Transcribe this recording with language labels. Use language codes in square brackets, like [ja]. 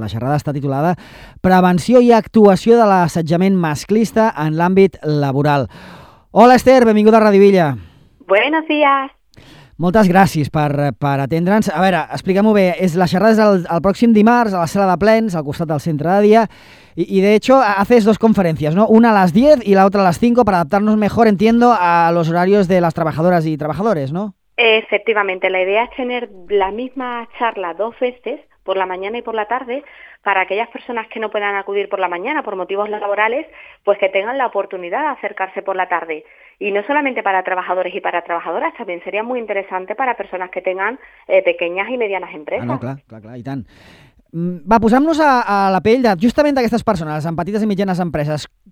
[ca] La xerrada està titulada Prevenció i actuació de l'assetjament masclista en l'àmbit laboral. Hola Esther, benvinguda a Ràdio Illa. [es] Buenos días. [ca] Moltes gràcies per atendre'ns. A veure, explica'm-ho bé. La xerrada és el pròxim dimarts a la sala de plens, al costat del centre de dia. [es] I de hecho, haces dos conferències, ¿no? Una a las 10 y la otra a las 5 para adaptarnos mejor, entiendo, a los horarios de las trabajadoras y trabajadores, ¿no? Efectivamente. La idea es tener la misma charla dos veces, por la mañana y por la tarde, para aquellas personas que no puedan acudir por la mañana por motivos laborales, pues que tengan la oportunidad de acercarse por la tarde. Y no solamente para trabajadores y para trabajadoras, también sería muy interesante para personas que tengan pequeñas y medianas empresas. [ca] Ah, no, clar, i tant. Va, posem-nos a la pell de justament d'aquestes persones, amb petites i mitjanes empreses.